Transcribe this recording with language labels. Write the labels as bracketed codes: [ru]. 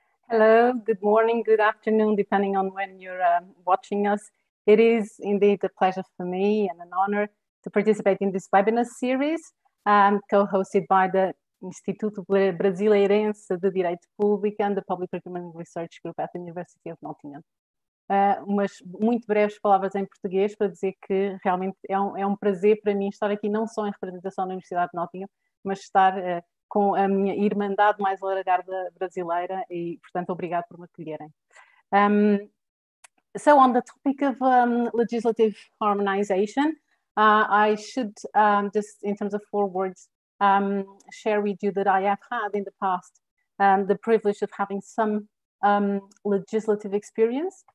[en] Hello, good morning, good afternoon, depending on when you're watching us. It is indeed a pleasure for me and an honor to participate in this webinar series co-hosted by the Instituto Brasileirense de Direito Público and the Public Procurement Research Group at the University of Nottingham. [pt] Umas muito breves palavras em português para dizer que realmente é um prazer para mim estar aqui não só em representação da Universidade de Nottingham, mas estar com a minha irmandade mais alargada brasileira e, portanto, obrigado por me acolherem. [en] So on the topic of legislative harmonization, I should just in terms of four words share with you that I have had in the past the privilege of having some legislative experience.